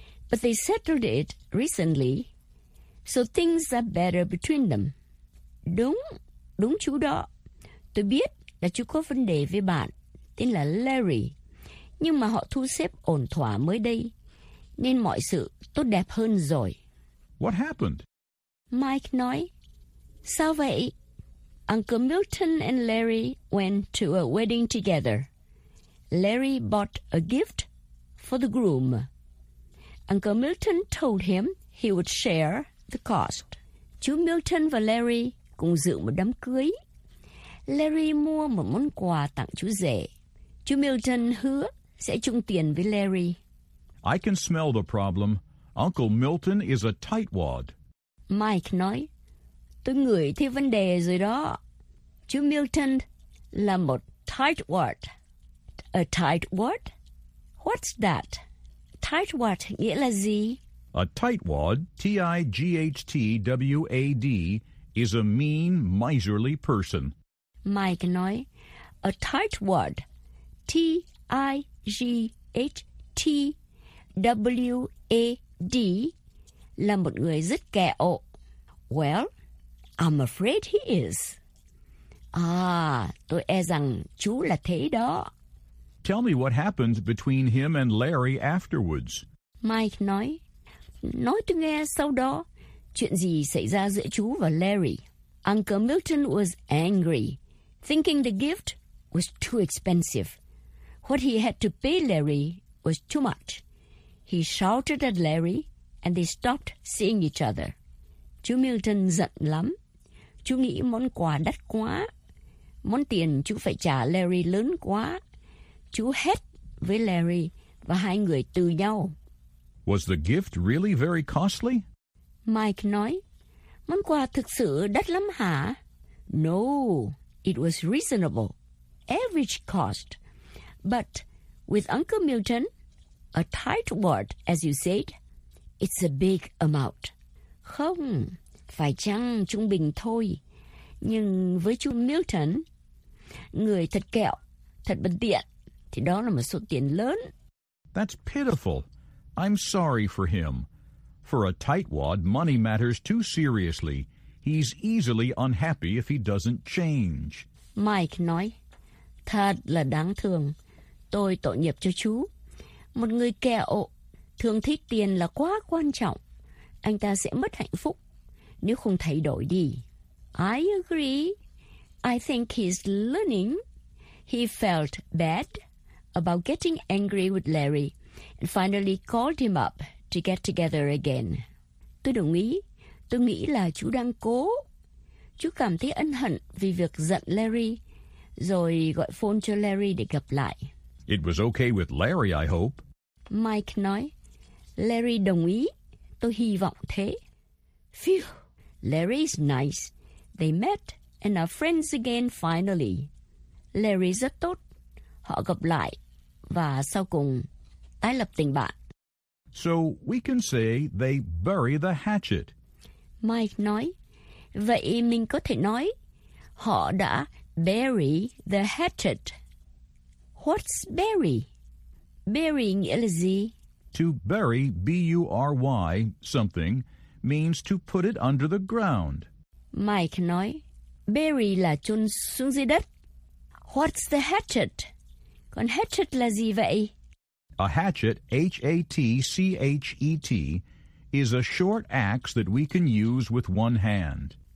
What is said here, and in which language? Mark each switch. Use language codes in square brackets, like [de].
[en] But they settled it recently, so things are better between them. [vi] Đúng. Đúng chú đó. Tôi biết là chú có vấn đề với bạn, tên là Larry. Nhưng mà họ thu xếp ổn thỏa mới đây, nên mọi sự tốt đẹp hơn rồi. [en] What happened? [vi] Mike nói, sao vậy? [en] Uncle Milton and Larry went to a wedding together. Larry bought a gift for the groom. Uncle Milton told him he would share the cost. [vi] Chú Milton và Larry cùng dự một đám cưới. Larry mua một món quà tặng chú rể. Chú Milton hứa sẽ chung tiền với Larry. [en] I can smell the problem. Uncle Milton is a tightwad. [vi] Mike nói, tôi ngửi thấy vấn đề rồi đó. Chú Milton là một tightwad. [en] A tightwad? What's that? Tightwad [vi] nghĩa là gì? [en] A tightwad, T-I-G-H-T-W-A-D, is a mean, miserly person. [vi] Mike nói, a tightwad, T-I-G-H-T-W-A-D, là một người rất kẹo. [en] Well, I'm afraid he is. [vi] Tôi e rằng chú là thế đó. [en] Tell me what happened between him and Larry afterwards. [vi] Mike nói, nói tôi nghe sau đó. Chuyện gì xảy ra giữa chú và Larry? [en] Uncle Milton was angry, thinking the gift was too expensive. What he had to pay Larry was too much. He shouted at Larry, and they stopped seeing each other. [vi] Chú Milton giận lắm. Chú nghĩ món quà đắt quá. Món tiền chú phải trả Larry lớn quá. Chú hét với Larry, và hai người từ nhau. [en] Was the gift really very costly? [vi] Mike nói, món quà thực sự đắt lắm hả? [en] No, it was reasonable. Average cost. But with Uncle Milton, a tightwad, as you said, it's a big amount. [vi] Không, phải chăng trung bình thôi. Nhưng với chú Milton, người thật kẹo, thật bất tiện, thì đó là một số tiền lớn. [en] That's pitiful. I'm sorry for him. For a tightwad, money matters too seriously. He's easily unhappy if he doesn't change. [vi] Mike nói, thật là đáng thương. Tôi tội nghiệp cho chú. Một người kẹo thường thích tiền là quá quan trọng. Anh ta sẽ mất hạnh phúc nếu không thay đổi đi. [en] I agree. I think he's learning. He felt bad about getting angry with Larry and finally called him up to get together again. [vi] Tôi đồng ý. Tôi nghĩ là chú đang cố. Chú cảm thấy ân hận vì việc giận Larry, rồi gọi phone cho Larry để gặp lại. [en] It was okay with Larry, I hope. [vi] Mike nói, Larry đồng ý. Tôi hy vọng thế. [en] Phew, Larry's nice. They met and are friends again finally. Larry [vi] rất tốt. Họ gặp lại và sau cùng tái lập tình bạn. [en] So we can say they bury the hatchet. [vi] Mike nói, vậy mình có thể nói họ đã bury the hatchet. [en] What's bury? [vi] Bury nghĩa là gì? [en] To bury, B-U-R-Y, something, means to put it under the ground. [vi] Mike nói, bury là chôn xuống dưới đất. [en] What's the hatchet? [vi] Còn hatchet là gì vậy? [en] A hatchet, H-A-T-C-H-E-T, is a short axe that we can use with one hand.